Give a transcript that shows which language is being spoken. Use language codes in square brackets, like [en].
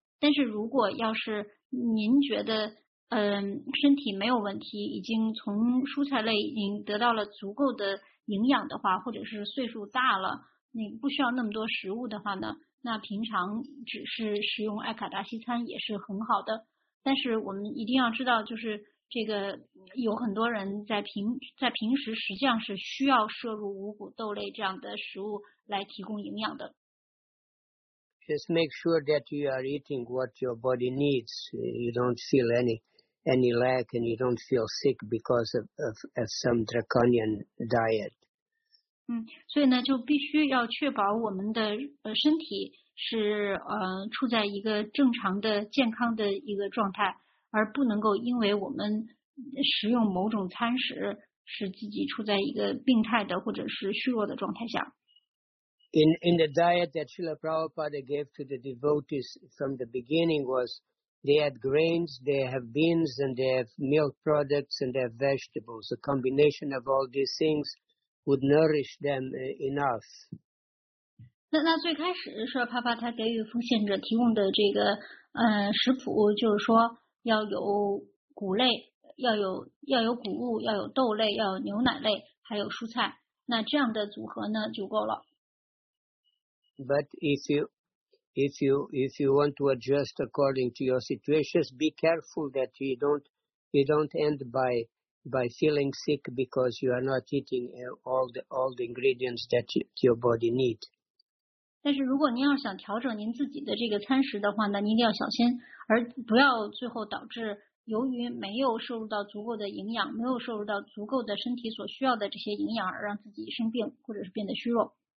[zh] 但是如果要是您觉得身体没有问题，已经从蔬菜类已经得到了足够的营养的话，或者是岁数大了，你不需要那么多食物的话呢，那平常只是食用埃卡达西餐也是很好的。但是我们一定要知道，就是这个有很多人在平时实际上是需要摄入五谷豆类这样的食物来提供营养的。 [en] Just make sure that you are eating what your body needs. You don't feel any lack, and you don't feel sick because of some draconian diet. [zh] 所以呢，就必须要确保我们的身体是处在一个正常的健康的一个状态。而不能够因为我们食用某种餐食，使自己处在一个病态的或者是虚弱的状态下。 [en] In the diet that Srila Prabhupada gave to the devotees from the beginning was they had grains, they have beans, and they have milk products, and they have vegetables. A combination of all these things would nourish them enough. [zh] 那最开始是帕帕他给予奉献者提供的这个食谱，就是说。要有谷类，要有谷物，要有豆类，要有牛奶类，还有蔬菜。那这样的组合呢，就够了。 [en] But if you want to adjust according to your situations, be careful that you don't end by feeling sick because you are not eating all the ingredients that your body need. [zh] 但是如果您要想调整您自己的这个餐食的话呢，您一定要小心。而不要最后导致由于没有摄入到足够的营养，没有摄入到足够的身体所需要的这些营养，而让自己生病或者是变得虚弱。